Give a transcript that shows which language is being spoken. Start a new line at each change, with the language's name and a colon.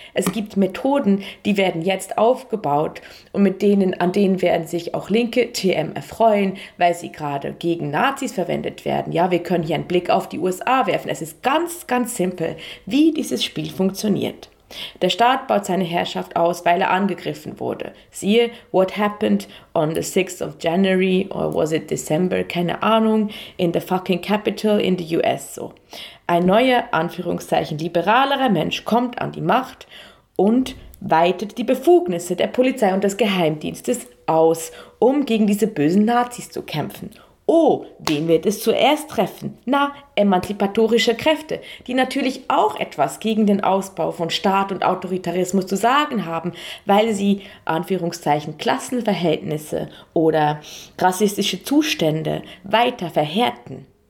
German: Es gibt Methoden, die werden jetzt aufgebaut und an denen werden sich auch linke TM erfreuen, weil sie gerade gegen Nazis verwendet werden. Ja, wir können hier einen Blick auf die USA werfen. Es ist ganz, ganz simpel, wie dieses Spiel funktioniert. Der Staat baut seine Herrschaft aus, weil er angegriffen wurde. Siehe,
English: what happened on the 6th of January, or was it December,
German: keine Ahnung,
English: in the fucking Capital in the US.
German: So. Ein neuer, Anführungszeichen, liberalerer Mensch kommt an die Macht und weitet die Befugnisse der Polizei und des Geheimdienstes aus, um gegen diese bösen Nazis zu kämpfen. Oh, wen wird es zuerst treffen? Na, emanzipatorische Kräfte, die natürlich auch etwas gegen den Ausbau von Staat und Autoritarismus zu sagen haben, weil sie, Anführungszeichen, Klassenverhältnisse oder rassistische Zustände weiter verhärten.